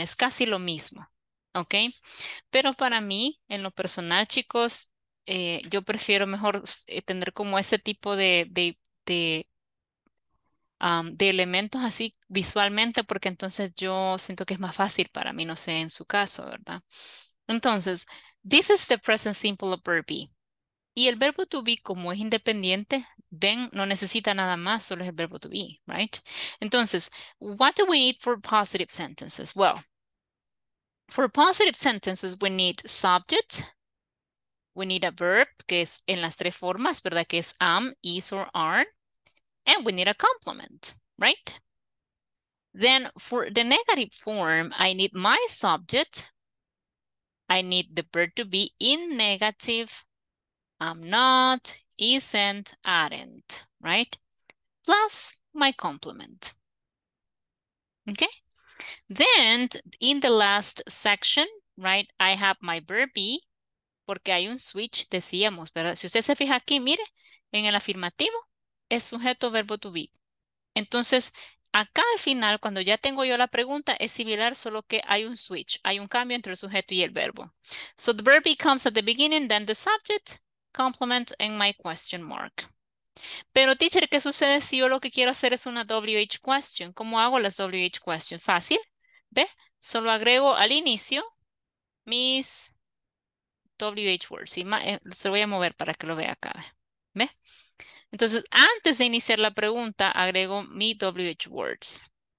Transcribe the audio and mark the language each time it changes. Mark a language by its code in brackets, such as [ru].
[es] Es casi lo mismo, ¿ok? Pero para mí, en lo personal, chicos, yo prefiero mejor tener como ese tipo de elementos así visualmente, porque entonces yo siento que es más fácil para mí, no sé, en su caso, ¿verdad? Entonces, [en] this is the present simple of verb be. [es] Y el verbo to be, como es independiente, then no necesita nada más, solo es el verbo to be, right? [en] Entonces, what do we need for positive sentences? Well, for positive sentences, we need subject. We need a verb, [es] que es en las tres formas, ¿verdad? Que es [en] am, is, or are. And we need a complement, right? Then, for the negative form, I need my subject. I need the verb to be in negative. I'm not, isn't, aren't, right? Plus my complement. Okay? Then, in the last section, right, I have my verb be, [es] porque hay un switch, decíamos, ¿verdad? Si usted se fija aquí, mire, en el afirmativo, es sujeto verbo to be. Entonces, acá al final, cuando ya tengo yo la pregunta, es similar, solo que hay un switch, hay un cambio entre el sujeto y el verbo. [en] So the verb comes at the beginning, then the subject, complement, and my question mark. [es] Pero teacher, ¿qué sucede si yo lo que quiero hacer es una WH question? ¿Cómo hago las WH questions? Fácil, ¿ve? Solo agrego al inicio mis WH words. Y se lo voy a mover para que lo vea acá, ¿ve? Entonces, antes de iniciar la pregunta, agrego mi WH words.